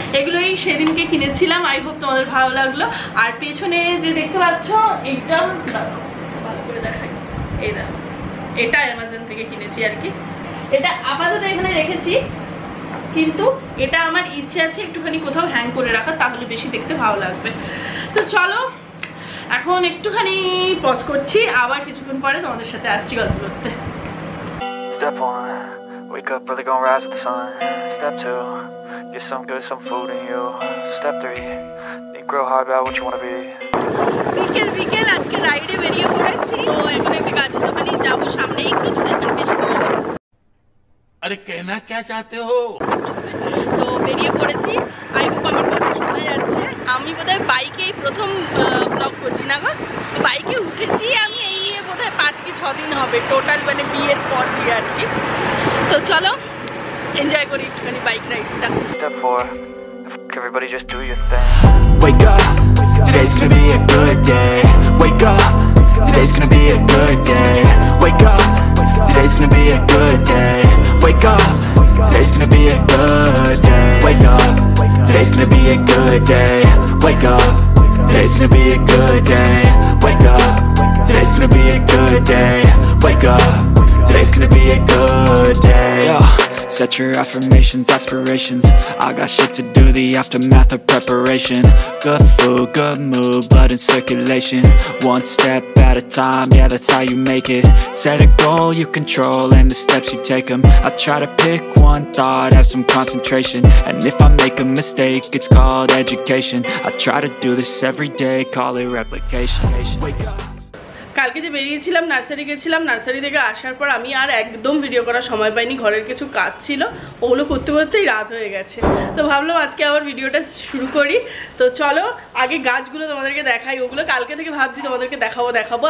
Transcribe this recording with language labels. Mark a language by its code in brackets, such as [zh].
[bn] এগুলোই সেদিনকে কিনেছিলাম, [en] I hope [bn] তোমাদের ভালো লাগলো। আর পেছনে যে দেখতে পাচ্ছ এইটা ভালো করে দেখাই, এই দেখো এটা অ্যামাজন থেকে কিনেছি আর কি, এটা আপাতত এখানে রেখেছি, কিন্তু এটা আমার ইচ্ছে আছে একটুখানি কোথাও হ্যাং করে রাখার, তাহলে বেশি দেখতে ভালো লাগবে। তো চলো এখন একটুখানি পজ করছি, আবার কিছুক্ষণ পরে তোমাদের সাথে আসছি গল্প করতে। [en] Step 1, wake up, really gonna rise with the sun. Step 2, get some good, some food in you. Step 3, think real hard about what you wanna be. [bn] বিকেল বিকেল আজকে রাইডে বেরিয়ে পড়েছি, তো এখন একটা গাছে তো মানে যাবো সামনে একটু দূরে একটা বেশ দূরে। আরে কেনা কে চাইতে হো, তো বেরিয়ে পড়েছি, [en] I hope [bn] আমার কথা শোনা যাচ্ছে। আমি বোধহয় বাইকেই প্রথম ব্লগ করছি না গো, তো বাইকে উঠেছি আমি, এই নিয়ে বোধহয় 5 কি 6 দিন হবে টোটাল, মানে বিয়ের পর দিয়ে আর কি। তো চলো এনজয় করি একটুখানি bike রাইডটা। [en] Step 4, everybody just do your thing. Wake up, today's gonna be a good day. Wake up, today's gonna be a good day. Wake up, today's gonna be a good day. Wake up, today's gonna be a good day. Wake up, today's gonna be a good day. Wake up, today's gonna be a good day. Wake up, today's gonna be a good day. Wake up, today's gonna be a good day. Set your affirmations, aspirations. I got shit to do, the aftermath of preparation. Good food, good mood, blood in circulation. One step at a time, yeah, that's how you make it. Set a goal you control and the steps you take them. I try to pick one thought, have some concentration. And if I make a mistake, it's called education. I try to do this every day, call it replication. Wake up. [bn] কালকে যে বেরিয়েছিলাম nursery গেছিলাম, nursery থেকে আসার পর আমি আর একদম video করার সময় পাইনি, ঘরের কিছু কাজ ছিল ওগুলো করতে করতেই রাত হয়ে গেছে, তো ভাবলাম আজকে আবার ভিডিওটা শুরু করি। তো চলো আগে গাছগুলো তোমাদেরকে দেখাই, ওগুলো কালকে থেকে ভাবছি তোমাদেরকে দেখাবো।